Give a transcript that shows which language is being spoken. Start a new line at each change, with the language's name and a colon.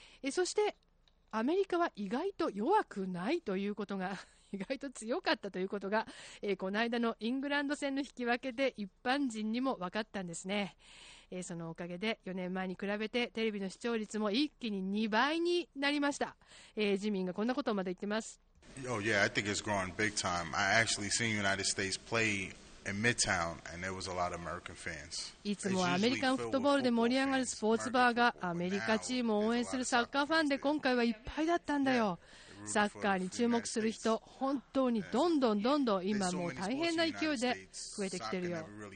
Japanese: そしてアメリカは意外と弱くないということが、意外と強かったということが、この間のイングランド戦の引き分けで一般人にも分かったんですね。そのおかげで4年前に比べてテレビの視聴率も一気に2倍になりました。自民がこんなことまで言ってます。
English: Oh yeah, I think it's grown big time. I actually seen United States playIn Midtown, and there was a lot of American fans.
Japanese: いつもアメリカンフットボールで盛り上がるスポーツバーがアメリカチームを応援するサッカーファンで、今回はいっぱいだったんだよ。サッカーに注目する人、本当にどんどんどんどん今もう大変な勢いで増えてきてるよ。